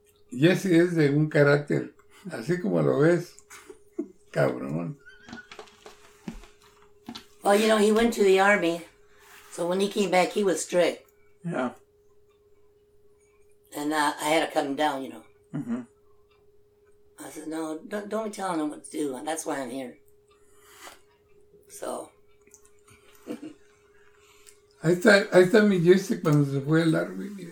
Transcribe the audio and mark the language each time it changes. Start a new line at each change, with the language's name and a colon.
Spanish: Jesse es de un carácter, así como lo ves, cabrón.
English: Well, you know, he went to the army, so when he came back, he was strict. Yeah. And I had to cut him down, you know. Mm-hmm. I said, no, don't be telling him what to do, and that's why I'm here. So.
Spanish: Ahí está mi Jesse cuando se fue al army.